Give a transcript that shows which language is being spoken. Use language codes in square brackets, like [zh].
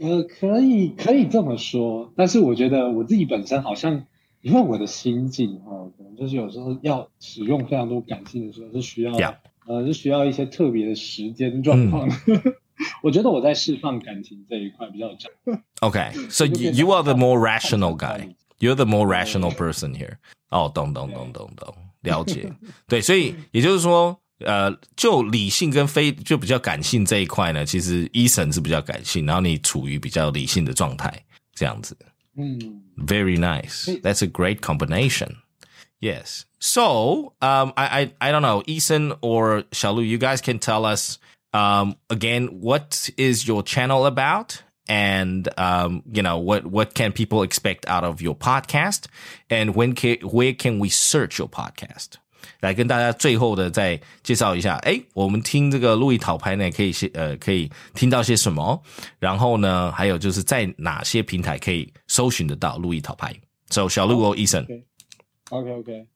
[zh] 可以这么说，但是我觉得我自己本身好像，因为我的心境哈、哦，可能就是有时候要使用非常多感性的时候，是需要、yeah. 是需要一些特别的时间状况。嗯我觉得我在释放感情这一块比较重。 [en] Okay, so you are the more rational guy. You're the more rational person here. [zh] 哦，懂懂懂懂懂，了解。对，所以也就是说，就理性跟非就比较感性这一块呢，其实 Eason 是比较感性，然后你处于比较理性的状态，这样子。嗯 [en] ，Very nice. That's a great combination. Yes. So, I don't know, Eason or Xiaolu, you guys can tell us. Again, what is your channel about? And, you know, what can people expect out of your podcast? And where can we search your podcast? [zh] 来跟大家最后的再介绍一下，诶，我们听这个路易讨牌呢，可以听到些什么？然后呢，还有就是在哪些平台可以搜寻得到路易讨牌？ [en] So, 小鹿or Eason? Okay.